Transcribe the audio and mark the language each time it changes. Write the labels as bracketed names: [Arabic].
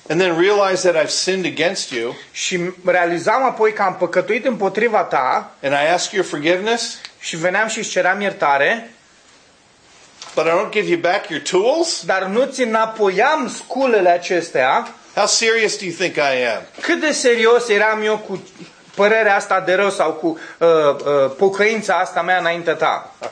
[English] and then realize that I've sinned against you, [Romanian] și realizam apoi că am păcătuit împotriva ta, [English] and I ask your forgiveness, [Romanian] și veneam și ceream iertare, [English] but I don't give you back your tools? [Romanian] Dar nu ți înapoiam sculele acestea? [English] How serious do you think I am? [Romanian] Cât de serios eram eu cu părerea asta de rău sau cu pocăința asta mea înaintea ta?